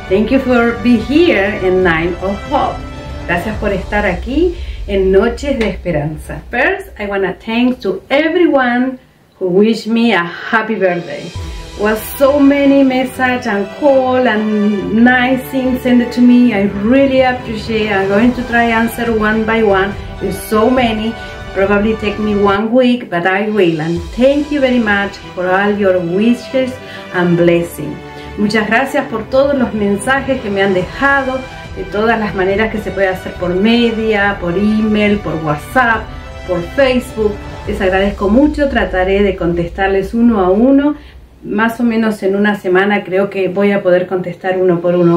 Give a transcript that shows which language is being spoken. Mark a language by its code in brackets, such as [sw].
[en] Thank you for being here in Night of Hope. [es] Gracias por estar aquí en Noches de Esperanza. [en] First, I want to thank to everyone who wished me a happy birthday. Was so many messages and calls and nice things sent to me. I really appreciate. I'm going to try answer one by one. There's so many. Probably take me 1 week, but I will. And thank you very much for all your wishes and blessings. [es] Muchas gracias por todos los mensajes que me han dejado, de todas las maneras que se puede hacer por media, por email, por WhatsApp, por Facebook. Les agradezco mucho, trataré de contestarles uno a uno. Más o menos en una semana creo que voy a poder contestar uno por uno.